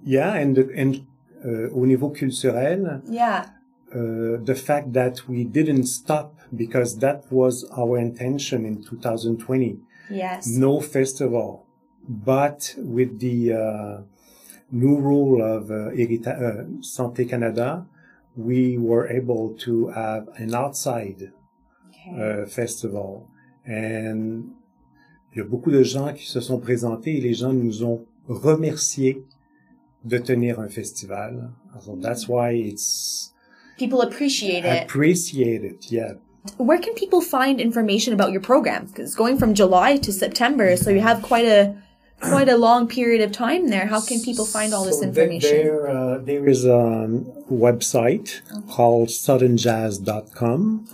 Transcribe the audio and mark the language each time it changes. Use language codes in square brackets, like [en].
[en] Yeah, and [fr] au niveau culturel, [en] the fact that we didn't stop, because that was our intention in 2020. Yes. No festival. But with the new rule of Santé Canada, we were able to have an outside festival. [fr] And il y a beaucoup de gens qui se sont présentés et les gens nous ont remercié de tenir un festival. [en] So that's why it's... People appreciate it. Appreciate it, yeah. Where can people find information about your program? Because it's going from July to September, so you have quite a long period of time there. How can people find all this information? There is a website called SuttonJazz.com.